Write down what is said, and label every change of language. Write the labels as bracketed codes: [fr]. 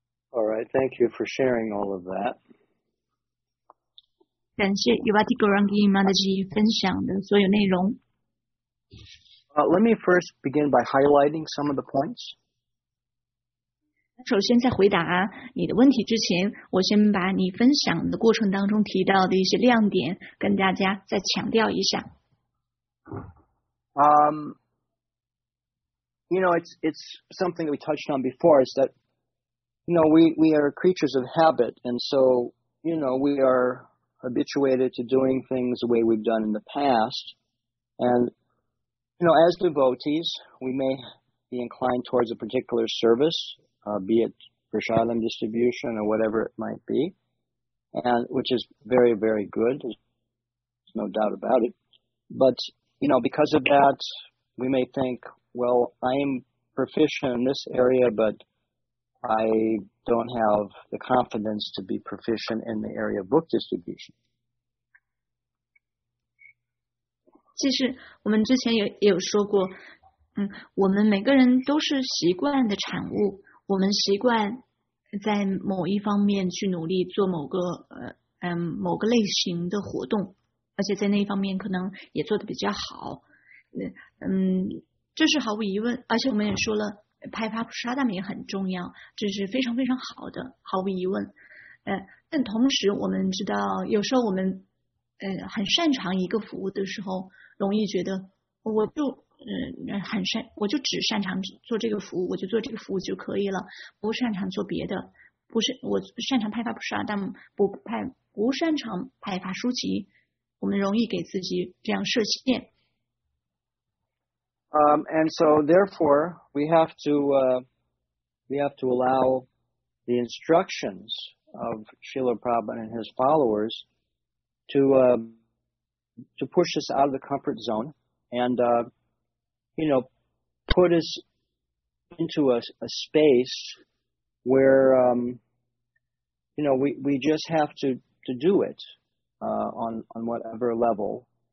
[en] All right, thank you for sharing all of that. [zh] 感谢 Yuvati Gaurangi Mataji 分享的所有内容。 [en] Let me first begin by highlighting some of the points. [zh] 首先在回答你的问题之前，我先把你分享的过程当中提到的一些亮点跟大家再强调一下。 [en] It's something that we touched on before, is that, we are creatures of habit, and so, we are habituated to doing things the way we've done in the past, and... as devotees, we may be inclined towards a particular service, be it prasadam distribution or whatever it might be, and which is very, very good. There's no doubt about it. But, because of that, we may think, well, I am proficient in this area, but I don't have the confidence to be proficient in the area of book distribution. [zh] 其实我们之前也有说过，我们每个人都是习惯的产物，我们习惯在某一方面去努力做某个类型的活动，而且在那一方面可能也做得比较好，这是毫无疑问，而且我们也说了，派发普沙达米很重要，这是非常非常好的，毫无疑问，但同时我们知道，有时候我们很擅长一个服务的时候，容易觉得我就只擅长做这个服务，我就做这个服务就可以了，不擅长做别的，不是我擅长派发prasadam，不擅长派发书籍，我们容易给自己这样设限。 [en] And so therefore we have to allow the instructions of Srila Prabhupada and his followers to push us out of the comfort zone and, put us into a space where, we just have to do it, on whatever level.